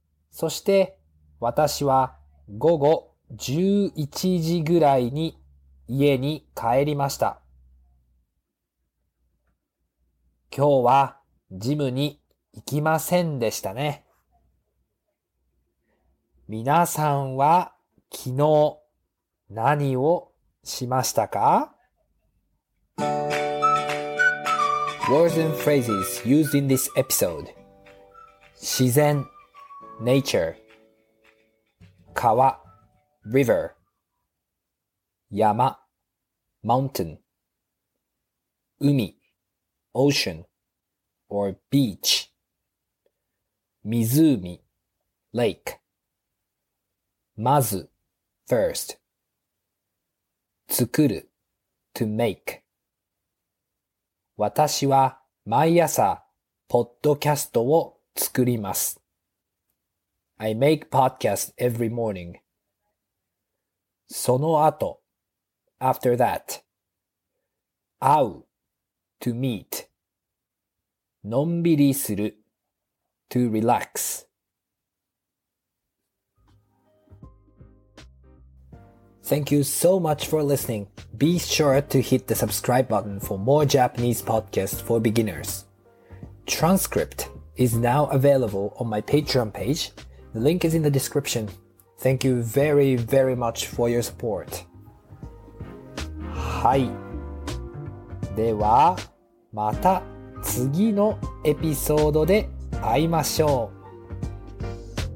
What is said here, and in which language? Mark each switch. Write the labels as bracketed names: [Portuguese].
[Japanese] そして私は午後11時ぐらいに家に帰りました。今日はジムに行きませんでしたね。皆さんは昨日何をしましたか？ [English] Words and phrases used in this episode. 自然 nature 川 river 山 mountain 海 ocean or beach 湖 lake。まず first 作る to make。 [Japanese] 私は毎朝ポッドキャストを作ります。 [English] I make podcast every morning。 [Japanese] その後 [English] after that [Japanese] 会う to meet。 のんびりする [English] to relax. Thank you so much for listening. Be sure to hit the subscribe button for more Japanese podcasts for beginners. Transcript is now available on my Patreon page. The link is in the description. Thank you very, very much for your support. [Japanese] はい。では、また次のエピソードで会いましょう。